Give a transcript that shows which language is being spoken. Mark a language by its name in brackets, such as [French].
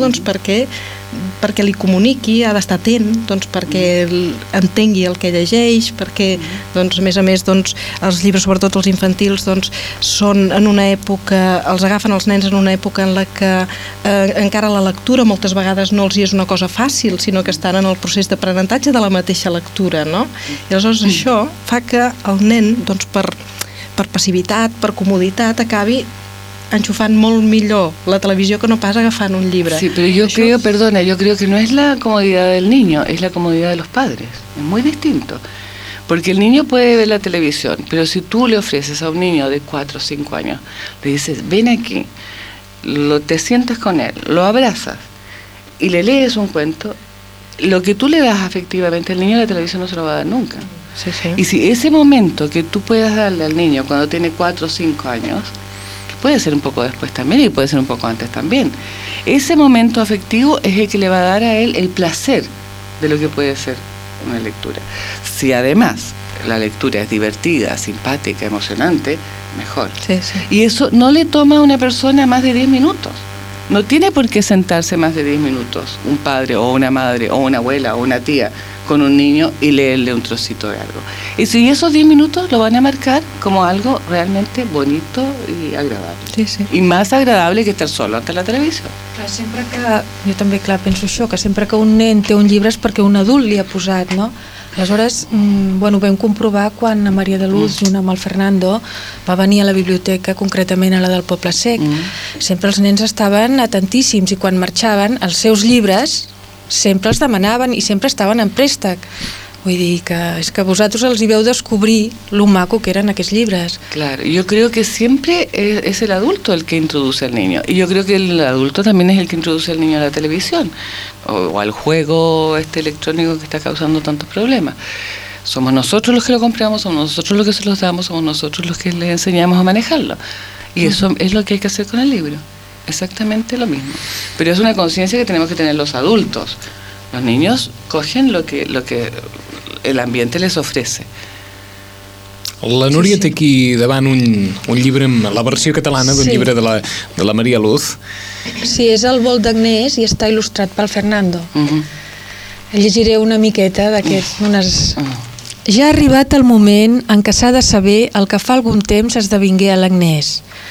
[Catalan] Doncs perquè li comuniqui, ha d'estar atent, doncs perquè entengui el que llegeix, perquè doncs, a més, doncs, els llibres, sobretot els infantils, doncs, són en una època, els agafen els nens en una època en la que encara la lectura moltes vegades no els hi és una cosa fàcil, sinó que estan en el procés d'aprenentatge de la mateixa lectura, no? I aleshores això fa que el nen, doncs, per passivitat, per comoditat, acabi enxufant molt millor la televisió que no pas agafant un llibre. Sí, però jo crec, perdona, jo crec que no és la comoditat del niño, és la comoditat dels pares. És molt distinto. [Spanish] Perquè el niño puede ver la televisió, però si tu le ofreces a un niño de 4 o 5 años, le dices, ven aquí, te sientas con él, lo abrazas y le lees un cuento, lo que tú le das afectivamente al niño, la televisión no se lo va a dar nunca. Sí, sí. Y si ese momento que tú puedas darle al niño cuando tiene 4 o 5 años, que puede ser un poco después también y puede ser un poco antes también, ese momento afectivo es el que le va a dar a él el placer de lo que puede ser una lectura. Si además la lectura es divertida, simpática, emocionante, mejor. Sí, sí. Y eso no le toma a una persona más de 10 minutos. No tiene por qué sentarse más de 10 minutos un padre o una madre o una abuela o una tía con un niño y leerle un trocito de algo. Y si esos 10 minutos lo van a marcar como algo realmente bonito y agradable. Sí, sí. Y más agradable que estar solo ante la televisión. [Catalan] Clar, sempre que, jo també clar, penso això, que sempre que un nen té un llibre és perquè un adult li ha posat, no? Aleshores, bueno, vam comprovar quan a Maria de Luz, junt amb el Fernando, va venir a la biblioteca, concretament a la del Poble Sec. Sempre els nens estaven atentíssims i quan marxaven, els seus llibres sempre els demanaven i sempre estaven en préstec. Vull dir que és que vosaltres els hi veu descobrir lo maco que eren aquests llibres. Clar, jo [Spanish] creo que sempre és el adulto el que introduce al niño. [Catalan] I jo [Spanish] creo que el adulto també és el que introduce al niño a la televisió o al juego este electrónico que está causando tantos problemas. Somos nosotros los que lo compramos, somos nosotros los que se los damos, somos nosotros los que le enseñamos a manejarlo. Y eso es lo que hay que hacer con el libro. Exactamente lo mismo. Pero es una conciencia que tenemos que tener los adultos. Los niños cogen lo que el ambiente les ofrece. [Catalan] La Núria té aquí davant un llibre, amb la versió catalana d'un llibre de la Maria Luz. Sí, és el Vol d'Agnès i està il·lustrat pel Fernando. Llegiré una miqueta d'aquests. Ja ha arribat el moment en què s'ha de saber el que fa algun temps esdevingué a l'Agnès.